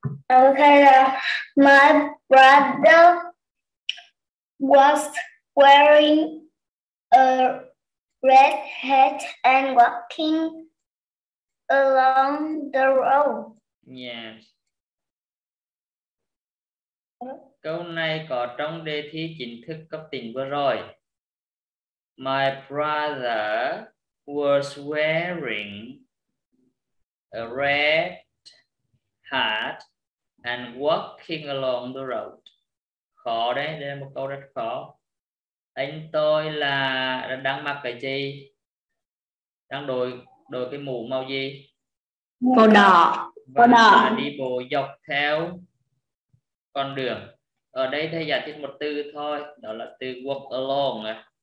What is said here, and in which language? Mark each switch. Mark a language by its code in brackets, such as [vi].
[en] Okay, my brother was wearing a red hat and walking along the road. Yes. [vi] Câu này có trong đề thi chính thức cấp tỉnh vừa rồi. [en] My brother was wearing a red hat and walking along the road. [vi] Khó đấy, đây là một câu rất khó. Anh tôi là đang mặc cái gì? Đang đội cái mũ màu gì? Màu đỏ. Và màu đỏ. Đi bộ dọc theo con đường. Ở đây thầy giải thích một từ thôi, đó là từ walk along.